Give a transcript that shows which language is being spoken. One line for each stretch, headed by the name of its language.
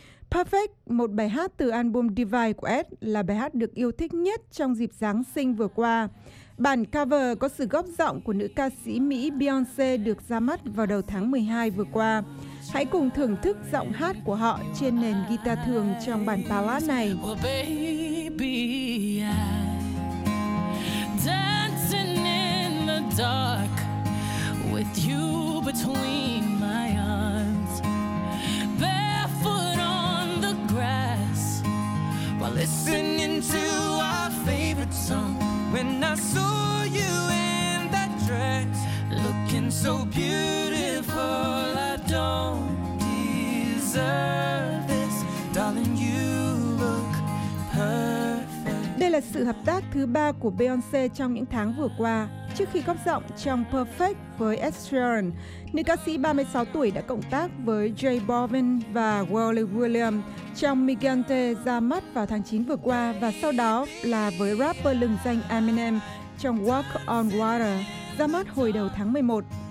Vietnamese: Perfect, một bài hát từ album Divide của Ed, là bài hát được yêu thích nhất trong dịp Giáng sinh vừa qua. Bản cover có sự góp giọng của nữ ca sĩ Mỹ Beyoncé được ra mắt vào đầu tháng 12 vừa qua. Hãy cùng thưởng thức giọng hát của họ trên nền guitar thường trong bản ballad này.
English: Well, baby, dancing in the dark with you between my arms, barefoot on the grass while listening to our favorite song. When I saw you in that dress, looking so beautiful, I don't deserve this, darling, you look perfect.
Vietnamese: Đây là sự hợp tác thứ ba của Beyoncé trong những tháng vừa qua. Trước khi góp giọng trong Perfect với Ed Sheeran, nữ ca sĩ 36 tuổi đã cộng tác với J Balvin và Wally William trong Migrante ra mắt vào tháng 9 vừa qua và sau đó là với rapper lừng danh Eminem trong Walk on Water ra mắt hồi đầu tháng 11.